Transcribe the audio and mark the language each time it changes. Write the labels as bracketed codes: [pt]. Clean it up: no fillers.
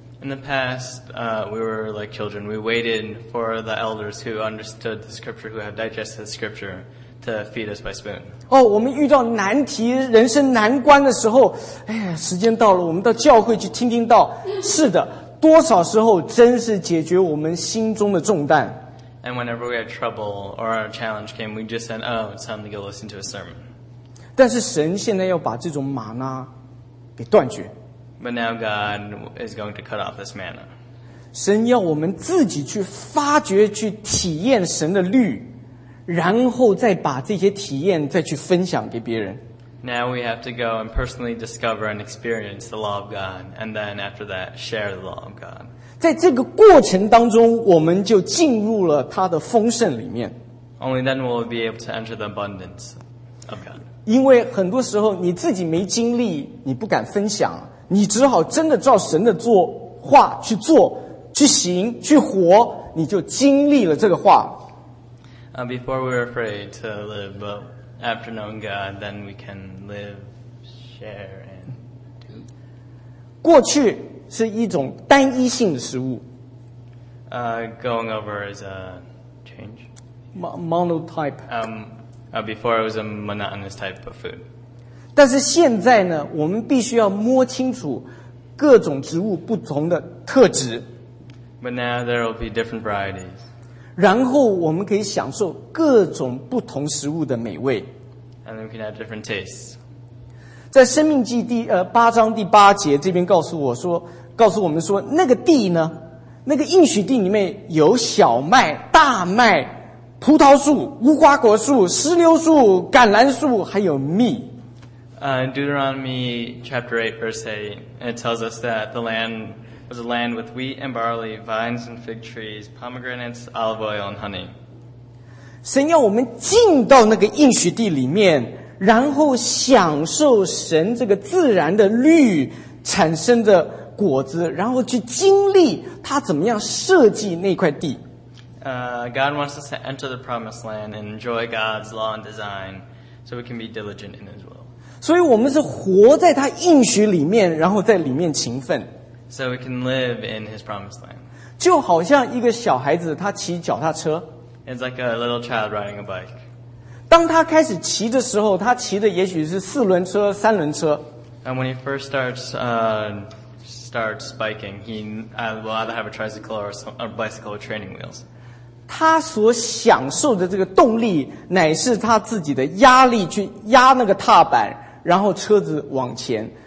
[en] In the past, we were like children. We waited for the elders who understood the scripture, who had digested the scripture. To feed us by spoon. [zh] 哦，我们遇到难题、人生难关的时候，哎呀，时间到了，我们到教会去听听道。是的，多少时候真是解决我们心中的重担。 [en] And whenever we had trouble or a challenge came, we just said, "Oh, it's time to go listen to a sermon." [zh] 但是神现在要把这种玛纳给断绝。 [en] But now God is going to cut off this manna. [zh] 神要我们自己去发掘、去体验神的律。然后再把这些体验再去分享给别人。 [en] Now we have to go and personally discover and experience the law of God, and then after that, share the law of God. [zh] 在这个过程当中，我们就进入了他的丰盛里面。 [en] Only then will we be able to enter the abundance of God. [zh] 因为很多时候你自己没经历，你不敢分享，你只好真的照神的做话去做、去行、去活，你就经历了这个话。 [en] Before we were afraid to live, but after knowing God, then we can live, share, and do. [zh] 过去是一种单一性的食物。 [en] Going over is a change. Monotype. Before it was a monotonous type of food. [zh] 但是现在呢，我们必须要摸清楚各种植物不同的特质。 [en] But now there will be different varieties. [zh] 然后我们可以享受各种不同食物的美味。 [en] And we can have different tastes. [zh] 在《生命记》第八章第八节这边告诉我们说，那个地呢，那个应许地里面有小麦、大麦、葡萄树、无花果树、石榴树、橄榄树，还有蜜。 [en] Deuteronomy chapter 8 verse 8, it tells us that the land. It was a land with wheat and barley, vines and fig trees, pomegranates, olive oil and honey. [zh] 神要我们进到那个应许地里面，然后享受神这个自然的绿产生的果子，然后去经历他怎么样设计那块地。 [en] God wants us to enter the promised land and enjoy God's law and design so we can be diligent in his will. [zh] 所以我们是活在他应许里面，然后在里面勤奋。 [en] So we can live in his promised land. [zh] 就好像一个小孩子他骑脚踏车。 [en] It's like a little child riding a bike. [zh] 当他开始骑的时候，他骑的也许是四轮车、三轮车。 [en] And when he first starts biking, he will either have a tricycle or a bicycle with training wheels. [zh] 他所享受的这个动力乃是他自己的压力去压那个踏板，然后车子往前。